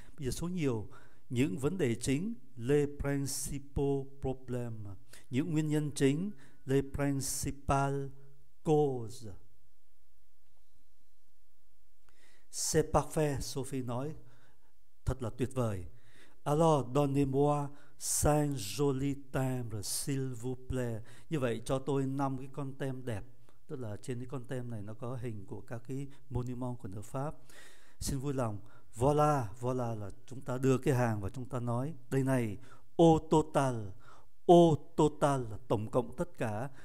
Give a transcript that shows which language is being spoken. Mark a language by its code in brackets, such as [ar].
[vi] Bây giờ số nhiều, những vấn đề chính, [fr] le principal problème, [vi] những nguyên nhân chính, [fr] le principal cause. C'est parfait, [vi] Sophie nói, thật là tuyệt vời. [fr] Alors donnez-moi 5 jolis timbres, s'il vous plaît. [vi] Như vậy cho tôi 5 cái con tem đẹp, tức là trên cái con tem này nó có hình của các cái monument của nước Pháp. Xin vui lòng. Voilà, voilà là chúng ta đưa cái hàng và chúng ta nói. Đây này, [fr] au total. [vi] Au total là tổng cộng tất cả.